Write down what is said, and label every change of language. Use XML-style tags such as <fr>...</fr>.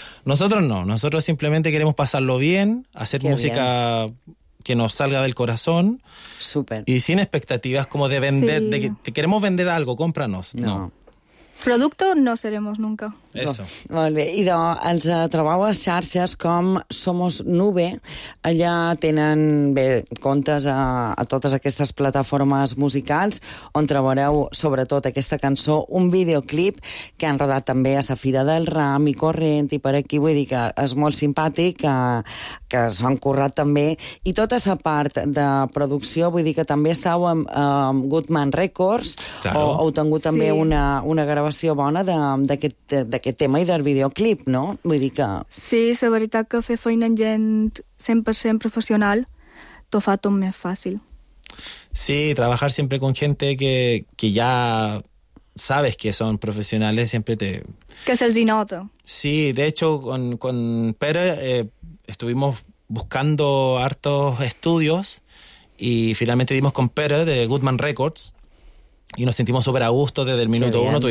<es>Nosotros no, nosotros simplemente queremos pasarlo bien, hacer música... que nos salga del corazón. Súper. Y sin expectativas como de vender, sí. De que te queremos vender algo, cómpranos. No. Producto no seremos nunca. Eso.</es> <ca>No. Molt bé. Idò, ens trobeu a xarxes com Somos Nube. Allà tenen, bé, comptes a totes aquestes plataformes musicals on trobareu, sobretot, aquesta cançó, un videoclip que han rodat també a Safira del Ram i Corrent i per aquí. Vull dir que és molt simpàtic, que s'ho han currat també. I tota aquesta part de producció, vull dir que també estàveu amb Goodman Records.</ca> <es>Claro.</es> <ca>O heu tingut també una gravació bona d'aquest tema i del videoclip, no? Vull dir que... Sí, la veritat que fer feina amb gent 100% professional t'ho fa tot més fàcil.</ca> <es>Sí, trabajar siempre con gente que ya sabes que son profesionales siempre te...</es> <ca>Que se'ls nota.</ca> <es>Sí, de hecho, con Pere estuvimos buscando hartos estudios y finalmente dimos con Pere de Goodman Records y nos sentimos súper a gusto desde el minuto uno.</es>